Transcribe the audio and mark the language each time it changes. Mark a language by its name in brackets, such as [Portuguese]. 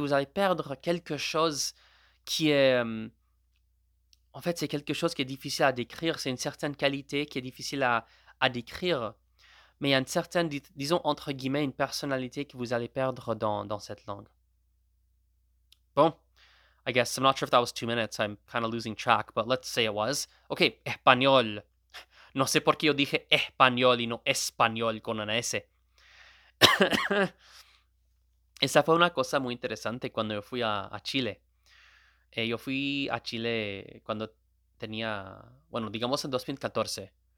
[French] Vous allez perdre quelque chose qui est... En fait, c'est quelque chose qui est difficile à décrire. C'est une certaine qualité qui est difficile à décrire. Mais il y a une certaine, disons, entre guillemets, une personnalité que vous allez perdre dans cette langue. [English] Bon, I guess I'm not sure if that was 2 minutes. I'm kind of losing track, but let's say it was. Okay, español. [Spanish] No sé por qué yo dije español y no español con una S. Esa fue una cosa muy interesante cuando yo fui a Chile. Yo fui a Chile cuando tenía, bueno, digamos en 2014.